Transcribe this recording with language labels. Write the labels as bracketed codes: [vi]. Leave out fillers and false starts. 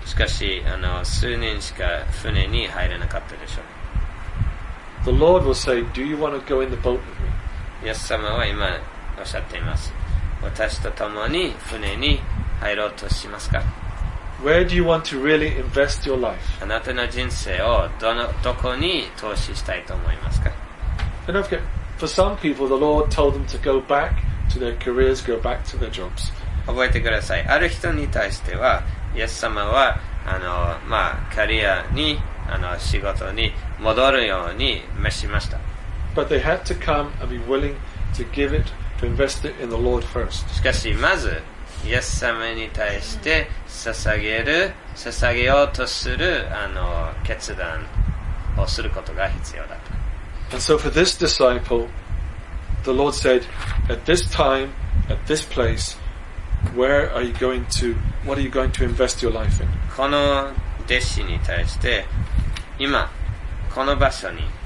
[ja] しかし数人しか船に入れなかったでしょう。 [en] The Lord will say, Do you want to go in the boat with me? [ja] イエス様は今おっしゃっています。私と共に船に入ろうとしますか。 [en] Where do you want to really invest your life? [ja] あなたの人生をどこに投資したいと思いますか? [en] And don't forget, for some people, the Lord told them to go back to their careers, go back to their jobs. [ja] 覚えてください。ある人に対しては、イエス様は、キャリアに、仕事に戻るように召しました。 [en] But they had to come and be willing to give it, to invest it in the Lord first. [ja] しかし、まず、イエス様に対して捧げようとする決断をすることが必要だと。 [en] And so for this disciple, the Lord said, at this time, at this place, where are you going to, what are you going to invest your life in? [ja] この弟子に対して、今、この場所に、